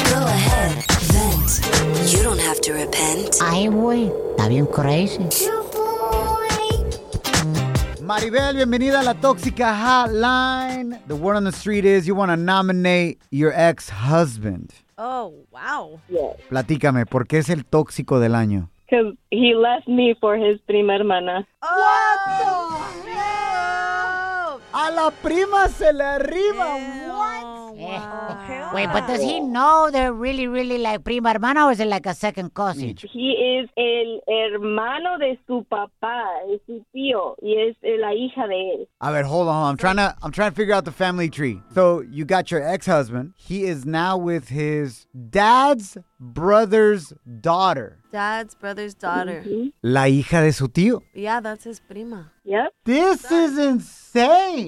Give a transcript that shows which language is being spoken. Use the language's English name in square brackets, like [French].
[English] Go ahead. Vent. You don't have to repent. [Spanish] Ay, güey. Está bien crazy. Maribel, bienvenida a la Tóxica Hotline. [English] The word on the street is you want to nominate your ex-husband. Oh, wow. Yes. [Spanish] Platícame, ¿por qué es el tóxico del año? [English] Because he left me for his prima hermana. Oh, what the [Spanish] A la prima se le arriba. [English] Ew. What? Wow. Wait, but does he know they're really, really like prima hermana or is it like a second cousin? He is [Spanish] el hermano de su papá, es su tío, y es la hija de él. A ver, [English] hold on, I'm trying to figure out the family tree. So you got your ex-husband, he is now with his dad's brother's daughter. Dad's brother's daughter. [Spanish] Mm-hmm. La hija de su tío. [English] Yeah, that's his prima. Yep. This is insane.